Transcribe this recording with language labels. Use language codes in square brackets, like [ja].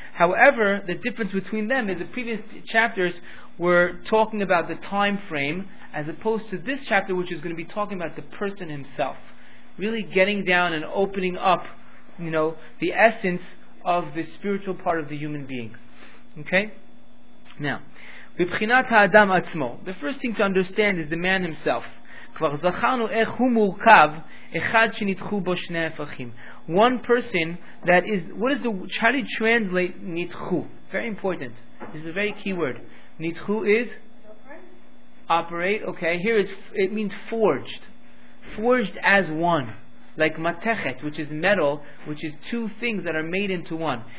[en] However, the difference between them is the previous chapters were talking about the time frame, as opposed to this chapter, which is going to be talking about the person himself. Really getting down and opening up, you know, the essence of the spiritual part of the human being. Okay? Now, [he] v'bchinat ha'adam atzmo. [en] The first thing to understand is the man himself. [he] כבר זכרנו איך הוא מורכב אחד שנדחו בו שני הפכים. [en] One person that is, what is the, how do you translate נדחו? Very important. This is a very key word. נדחו is? Operate. Okay, here it means forged. Forged as one. Like matechet, which is metal, which is two things that are made into one.